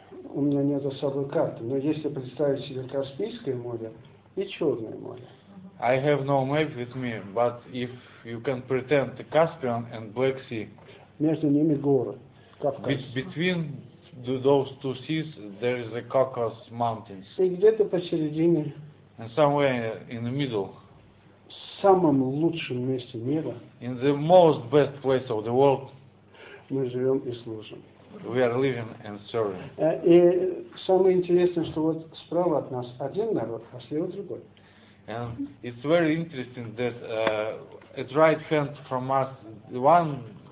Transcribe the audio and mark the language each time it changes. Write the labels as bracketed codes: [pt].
[ru] У меня нет особой карты, но если представить себе Каспийское море и Черное море. [en] I have no map with me, but if you can pretend the Caspian and Black Sea. [ru] Между ними горы, Кавказ. [en] Between those two seas there is the Caucasus Mountains. [ru] И где-то посередине. [en] And somewhere in the middle. [ru] В самом лучшем месте мира. [en] In the most best place of the world. [ru] Мы живем и служим. [en] We are living and serving. [ru] И самое интересное, что вот справа от нас один народ, а слева другой. [en] And it's very interesting that at right hand from us one